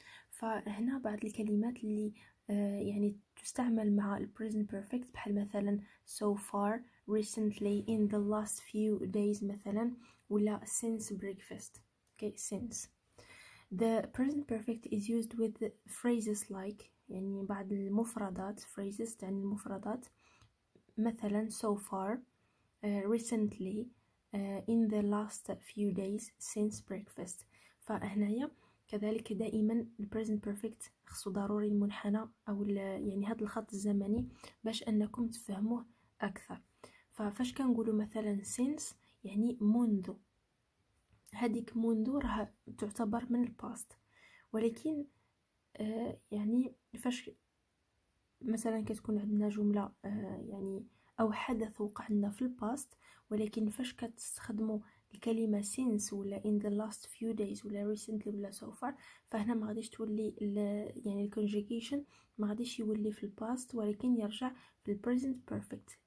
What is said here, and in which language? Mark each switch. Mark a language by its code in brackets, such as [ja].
[ar] فهنا بعض الكلمات اللي يعني تستعمل مع البريزنت بيرفكت بحال مثلا [en] so far, recently, in the last few days [ar] مثلا، ولا [en] since breakfast. okay, since the present perfect is used with phrases like [ar] يعني بعض المفردات [en] phrases [ar] يعني المفردات مثلا [en] so far, recently, in the last few days, since breakfast. [ar] فهنا يا كذلك دائما البريزنت بيرفكت خصو ضروري المنحنى او يعني هذا الخط الزمني باش انكم تفهموه اكثر. ففاش كنقولوا مثلا سينس يعني منذ، هذيك منذ راه تعتبر من الباست، ولكن يعني فاش مثلا كتكون عندنا جمله يعني او حدث وقع لنا في الباست، ولكن فاش كتستخدموا الكلمه since ولا [en] in the last few days [ar] ولا recently ولا [en] so far، [ar] فهنا ما غاديش تولي يعني الكونجيجيشن ما غاديش يولي في الباست ولكن يرجع في البريزنت بيرفكت.